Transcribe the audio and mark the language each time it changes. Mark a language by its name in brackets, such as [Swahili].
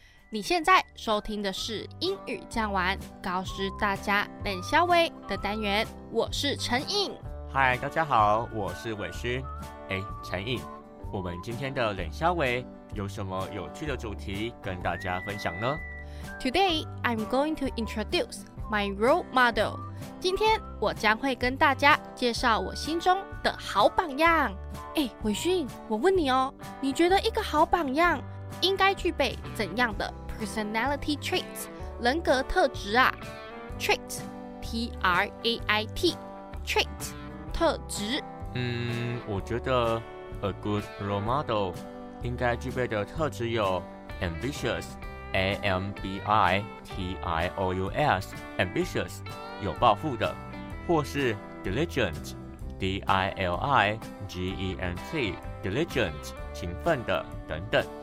[Chinese] 你现在收听的是英语讲完高师大家冷消微的单元，我是陈颖。嗨，大家好，我是伟勋。哎，陈颖，我们今天的冷消微有什么有趣的主题跟大家分享呢？ [English] Today, I'm going to introduce my role model. [Chinese] 今天我将会跟大家介绍我心中的好榜样。哎，伟勋，我问你哦，你觉得一个好榜样应该具备怎样的 personality traits 人格特质啊？ [English] Trait, T-R-A-I-T, trait, 特质。 [Chinese] 我觉得 [English] a good role model [Chinese] 应该具备的特质有 ambitious。 [English] A-M-B-I-T-I-O-U-S Ambitious 有抱负的，或是 Diligent D-I-L-I-G-E-N-T Diligent 勤奋的等等。